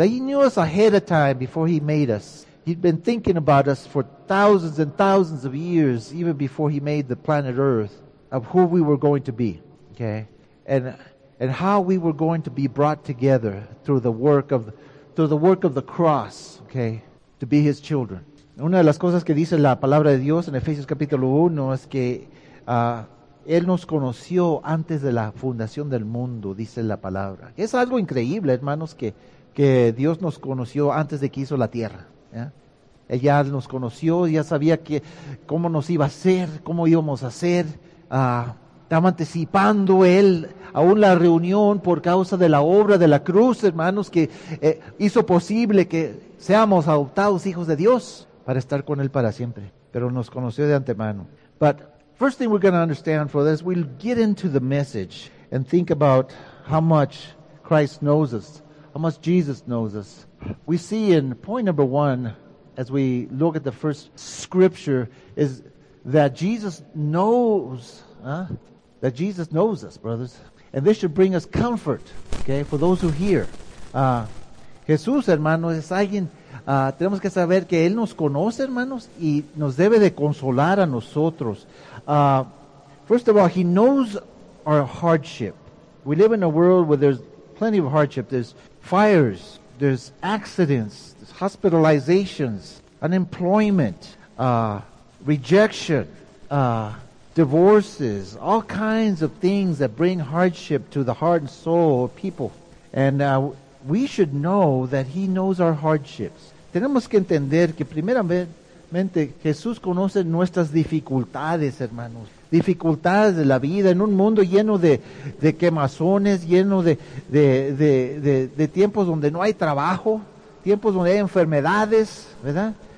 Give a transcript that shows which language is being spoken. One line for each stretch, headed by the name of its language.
English: He knew us ahead of time before He made us. He'd been thinking about us for thousands and thousands of years, even before He made the planet Earth, of who we were going to be, okay? And how we were going to be brought together through the work of the cross, okay, to be His children.
Spanish: Una de las cosas que dice la palabra de Dios en Efesios capítulo 1 es que Él nos conoció antes de la fundación del mundo, dice la palabra. Es algo increíble, hermanos, que Dios nos conoció antes de que hizo la tierra. Él ya nos conoció, ya sabía que cómo nos iba a ser, cómo íbamos a ser. Estaba anticipando Él aún la reunión por causa de la obra de la cruz, hermanos, que hizo posible que seamos adoptados hijos de Dios para estar con Él para siempre. Pero nos conoció de antemano.
English: But first thing we're going to understand for this, we'll get into the message and think about how much Christ knows us, how much Jesus knows us. We see in point number one, as we look at the first scripture, is that Jesus knows, that Jesus knows us, brothers. And this should bring us comfort, okay, for those who hear.
Spanish: Jesús, hermanos, es alguien, tenemos que saber que Él nos conoce, hermanos, y nos debe de consolar a nosotros.
English: First of all, He knows our hardship. We live in a world where there's plenty of hardship. There's fires, there's accidents, there's hospitalizations, unemployment, rejection, divorces, all kinds of things that bring hardship to the heart and soul of people. And we should know that He knows our hardships.
Spanish: Tenemos que entender que primeramente, Jesús conoce nuestras dificultades, hermanos. Dificultades de la vida en un mundo lleno de quemazones, lleno de tiempos donde no hay trabajo, tiempos donde hay enfermedades, ¿verdad?